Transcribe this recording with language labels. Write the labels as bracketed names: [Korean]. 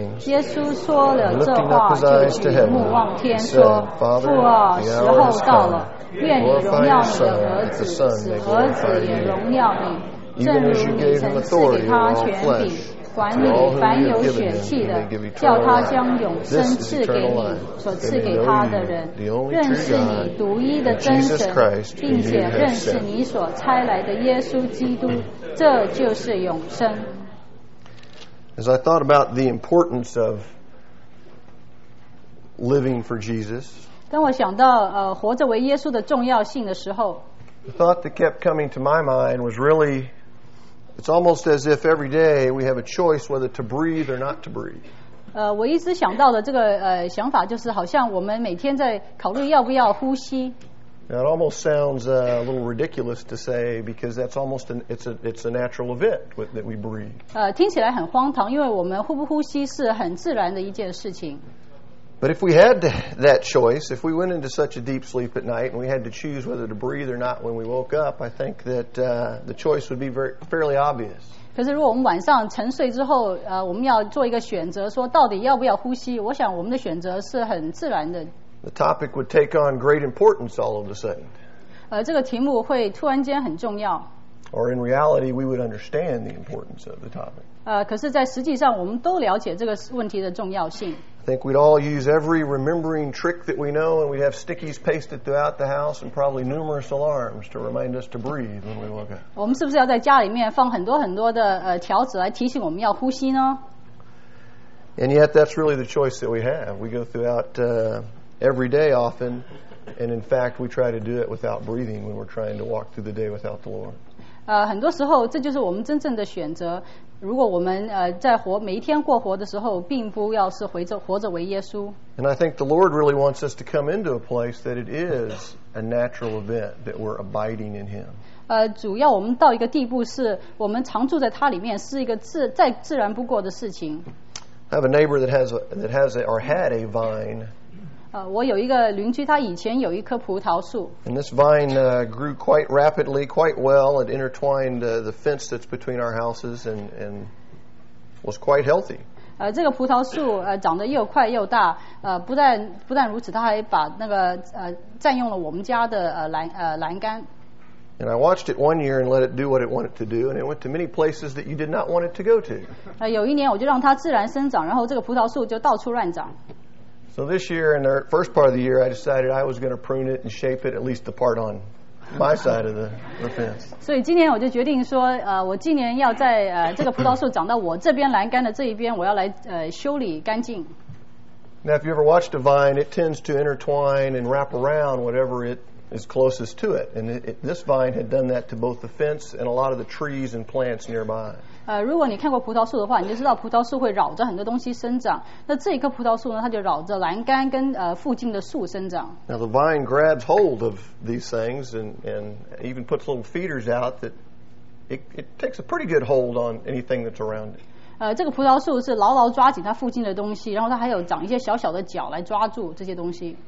[Chinese] 耶稣说了这话，就举目望天说：“父啊，时候到了，愿你荣耀你的儿子，使儿子也荣耀你，正如你曾赐给他权柄。” 管理凡有血气的，叫他将永生赐给你所赐给他的人，认识你独一的真神，并且认识你所差来的耶稣基督，这就是永生。 [English] As I thought about the importance of living for Jesus, [Chinese] 当我想到活着为耶稣的重要性的时候， [English] the thought that kept coming to my mind was really,It's almost as if every day we have a choice whether to breathe or not to breathe. [Chinese] 我一直想到的这个想法就是好像我们每天在考虑要不要呼吸。 [English] Now, it almost sounds a little ridiculous to say because that's almost it's a natural event that we breathe. [Chinese] 听起来很荒唐，因为我们呼不呼吸是很自然的一件事情。 [English] But if we had that choice, if we went into such a deep sleep at night and we had to choose whether to breathe or not when we woke up, I think that the choice would be fairly obvious. [Chinese] 可是如果我们晚上沉睡之后，我们要做一个选择，说到底要不要呼吸？我想我们的选择是很自然的。 [English] The topic would take on great importance all of a sudden. [Chinese] 这个题目会突然间很重要。 [English] Or in reality, we would understand the importance of the topic. [Chinese] 可是在实际上，我们都了解这个问题的重要性。 [English] I think we'd all use every remembering trick that we know, and we'd have stickies pasted throughout the house, and probably numerous alarms to remind us to breathe when we woke up. [Chinese] 我们是不是要在家里面放很多很多的条子来提醒我们要呼吸呢？ [English] And yet, that's really the choice that we have. We go throughout every day often, and in fact, we try to do it without breathing when we're trying to walk through the day without the Lord. [Chinese] 很多时候这就是我们真正的选择。如果我们在活每一天过活的时候，并不要是活着为耶稣。 [English] And I think the Lord really wants us to come into a place that it is a natural event that we're abiding in Him. [Chinese] 主要我们到一个地步是我们常住在他里面，是一个再自然不过的事情。 [English] I have a neighbor that had a vine. [Chinese] 我有一个邻居，他以前有一棵葡萄树。 [English] And this vine grew quite rapidly, quite well. It intertwined the fence that's between our houses and was quite healthy. [Chinese] 这个葡萄树长得又快又大，不但如此，它还把那个占用了我们家的栏杆。 [English] And I watched it one year and let it do what it wanted to do, and it went to many places that you did not want it to go to. [Chinese] 有一年我就让它自然生长，然后这个葡萄树就到处乱长。 [English] So this year, in the first part of the year, I decided I was going to prune it and shape it, at least the part on my side of the fence. [Chinese] 所以今年我就决定说，我今年要在这个葡萄树长到我这边栏杆的这一边，我要来修理干净。 [English] Now, if you ever watched a vine, it tends to intertwine and wrap around whatever it is closest to it. And this vine had done that to both the fence and a lot of the trees and plants nearby. [Chinese] 如果你看过葡萄树的话，你就知道葡萄树会绕着很多东西生长。那这一棵葡萄树呢，它就绕着栏杆跟附近的树生长。 [English] Now the vine grabs hold of these things and even puts little feeders out that it takes a pretty good hold on anything that's around it. [Chinese] 这个葡萄树是牢牢抓紧它附近的东西，然后它还有长一些小小的角来抓住这些东西。